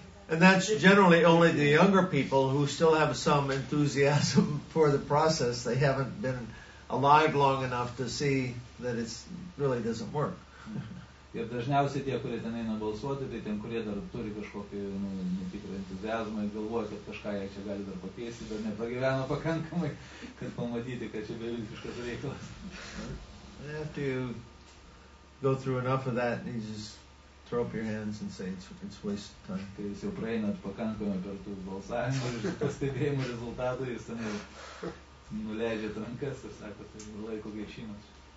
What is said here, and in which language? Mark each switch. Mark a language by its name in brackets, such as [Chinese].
[English] And that's generally only the younger people who still have some enthusiasm for the process. They haven't been alive long enough to see that it really doesn't work. [Lithuanian] Ir dažniausiai tie, kurie ten eina balsuoti, tai ten, kurie dar turi kažkokį, nu, netikrą entuziazmą ir galvoja, kad kažką jie čia gali dar pakeisti, bet nepragyveno pakankamai, kad pamatyti, kad čia beviltiškas reikalas. [English] After you go through enough of that, you just throw up your hands and say it's wasted time. [Lithuanian] Kai jūs jau praeinat pakankamai per tų balsavimų ir pastebėjimų rezultatų, jūs ten nuleidžiat rankas ir sakot, laiko gaišimas.